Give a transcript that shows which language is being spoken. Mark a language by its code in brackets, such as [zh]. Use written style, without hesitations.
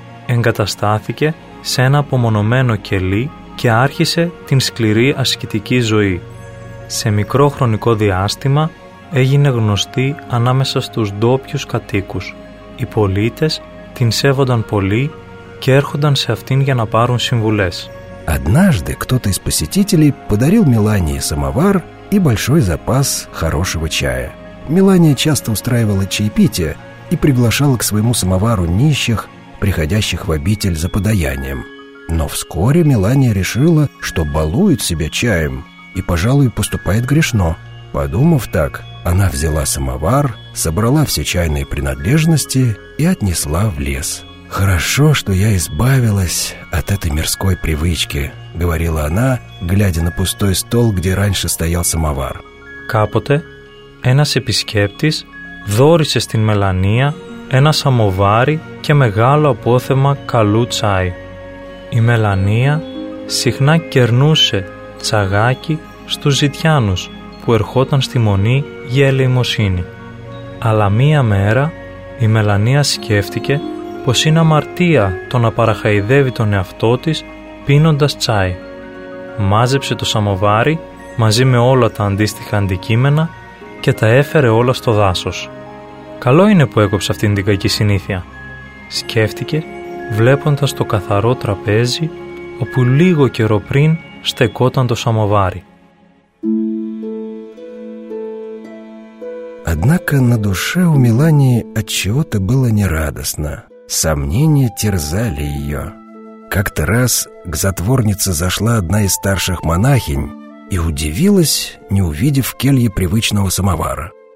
[el] Εγκαταστάθηκε σε ένα απομονωμένο κελί και άρχισε την σκληρή ασκητική ζωή. Σε μικρό χρονικό διάστημα έγινε γνωστή ανάμεσα στους ντόπιους κατοίκους. Οι πολίτες την σέβονταν πολύ και έρχονταν σε αυτήν για να πάρουν συμβουλές. [ru] Однажды кто-то из посетителей подарил Мелании самовар и большой запас хорошего чая. Мелания часто устраивала чаепитие и приглашала к своему самовару нищих, приходящих в обитель за подаянием. Но вскоре Мелания решила, что балует себя чаем и, пожалуй, поступает грешно. Подумав так, она взяла самовар, собрала все чайные принадлежности и отнесла в лес. «Хорошо, что я избавилась от этой мирской привычки», — говорила она, глядя на пустой стол, где раньше стоял самовар. [el] «Капоте, ένας επισκέπτης δόρισε στην Μελανία ένα σαμοβάρι και μεγάλο απόθεμα καλού τσάι. Η Μελανία συχνά κερνούσε τσαγάκι στους ζητιάνους που ερχόταν στη Μονή για ελεημοσύνη. Αλλά μία μέρα η Μελανία σκέφτηκε πως είναι αμαρτία το να παραχαϊδεύει τον εαυτό της πίνοντας τσάι. Μάζεψε το σαμοβάρι μαζί με όλα τα αντίστοιχα αντικείμενα και τα έφερε όλα στο δάσος. «Καλό είναι που έκοψε αυτήν την κακή συνήθεια», σκέφτηκε, βλέποντας το καθαρό τραπέζι όπου λίγο καιρό πριν στεκόταν το σαμοβάρι. [ru] Однако на душе у Мелании отчего-то было нерадостно. Сомнения терзали ее. Как-то раз к затворнице зашла одна из старших монахинь и удивилась, не увидев в келье привычного самовара.